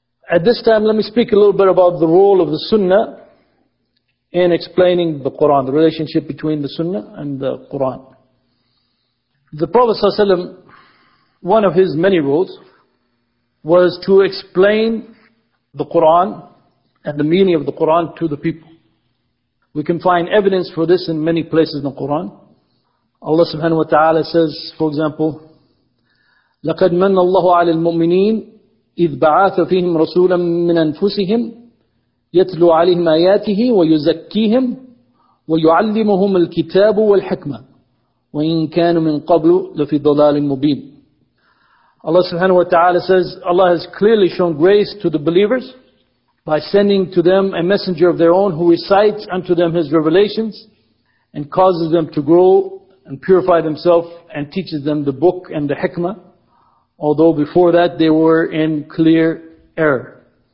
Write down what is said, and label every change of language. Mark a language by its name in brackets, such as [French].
[English] At this time, let me speak a little bit about the role of the Sunnah in explaining the Quran, the relationship between the Sunnah and the Quran. The Prophet ﷺ, one of his many roles, was to explain the Quran and the meaning of the Quran to the people. We can find evidence for this in many places in the Quran. [Arabic] Allah subhanahu wa ta'ala says, [English] for example, [Arabic] لَقَدْ مَنَّ اللَّهُ عَلَى الْمُؤْمِنِينَ إِذْ بَعَاثَ فِيهِمْ رَسُولًا مِّنْ أَنفُسِهِمْ يَتْلُوْ عَلِهِمْ آيَاتِهِ وَيُزَكِّيهِمْ وَيُعَلِّمُهُمُ الْكِتَابُ وَالْحِكْمَةِ وَإِنْ كَانُوا مِنْ قَبْلُ لَفِي ضَلَالٍ مُبِينٍ. [English] Allah subhanahu wa ta'ala says, Allah has clearly shown grace to the believers by sending to them a messenger of their own who recites unto them his revelations and causes them to grow and purify themselves and teaches them the book and the hikmah, although before that they were in clear error.